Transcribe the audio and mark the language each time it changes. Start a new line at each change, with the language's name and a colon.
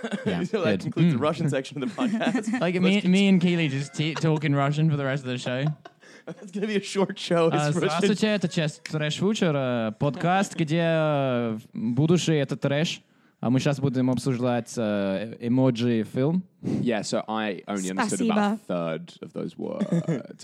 English: Yeah, so that concludes the Russian section of the podcast. Like me and Keely just talking Russian for the rest of the show. It's going to be a short show.
Russian: Здравствуйте, это часть Trash Future, подкаст, где будущее это трэш. А мы сейчас будем обсуждать эмоджи фильм.
English: Yeah, so I only understood about a third of those words.